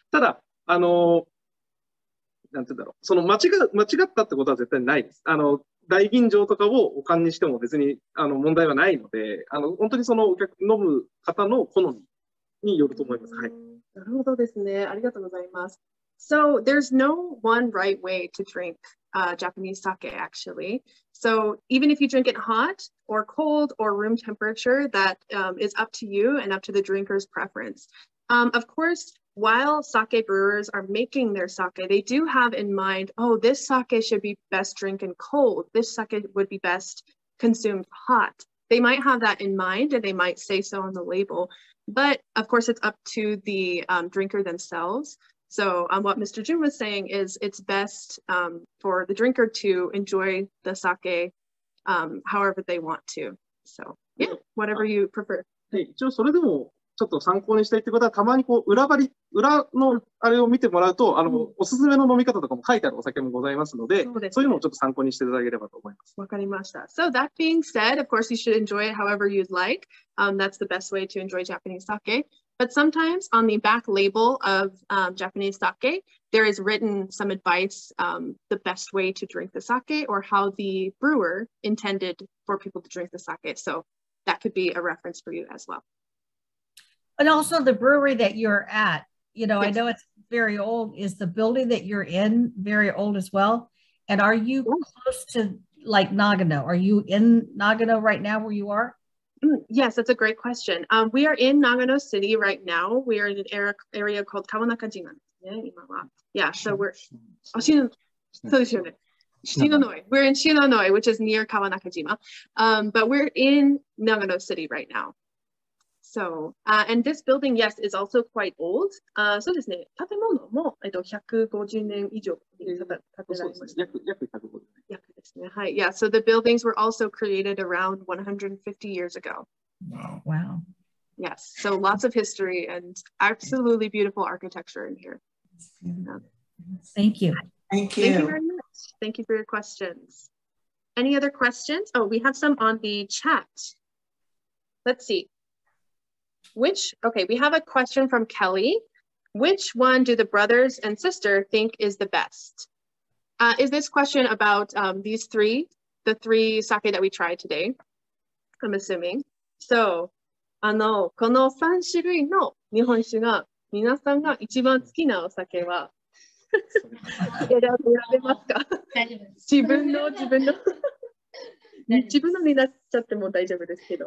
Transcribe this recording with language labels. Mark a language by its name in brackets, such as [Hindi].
[Japanese] ただ、なんて言うんだろう。その間違ったってことは絶対ないです。大吟醸とかをお燗にしても別に、問題はないので、本当にそのお客、飲む方の好みによると思います。はい。なるほどですね。ありがとうございます。 [English] So there's no one right way to drink Japanese sake, actually. So even if you drink it hot or cold or room temperature, that is up to you and up to the drinker's preference. Of course, while sake brewers are making their sake, they do have in mind, oh, this sake should be best drinking cold. This sake would be best consumed hot. They might have that in mind and they might say so on the label. But of course, it's up to the drinker themselves. So what Mr. Jun was saying is it's best for the drinker to enjoy the sake however they want to. So yeah, whatever you prefer. [Japanese] Hey, 一応それでもちょっと参考にしたいってことは、たまにこう裏のあれを見てもらうと、おすすめの飲み方とかも書いてあるお酒もございますので、そういうのをちょっと参考にしていただければと思います。わかりました。 [English] So that being said, of course you should enjoy it however you'd like. That's the best way to enjoy Japanese sake. But sometimes on the back label of Japanese sake, there is written some advice, the best way to drink the sake or how the brewer intended for people to drink the sake. So that could be a reference for you as well. And also the brewery that you're at, yes. I know it's very old. Is the building that you're in very old as well? And are you close to like Nagano? Are you in Nagano right now where you are? Yes, that's a great question. We are in Nagano City right now. We are in an area called Kawanakajima. Yeah, so we're in Shinonoi, which is near Kawanakajima. But we're in Nagano City right now. So, and this building, yes, is also quite old. [Japanese] そうですね。建物も150年以上建てられました。約150年。はい。 [English] Yeah, so the buildings were also created around 150 years ago. Wow. Yes, so lots of history and absolutely beautiful architecture in here. Thank you. Thank you. Thank you very much. Thank you for your questions. Any other questions? Oh, we have some on the chat. Let's see. We have a question from Kelly. Which one do the brothers and sister think is the best? Is this question about the three sake that we tried today? I'm assuming. So, [Japanese] この3種類の日本酒が皆さんが一番好きなお酒は選べますか？自分の自分のになっちゃっても大丈夫ですけど。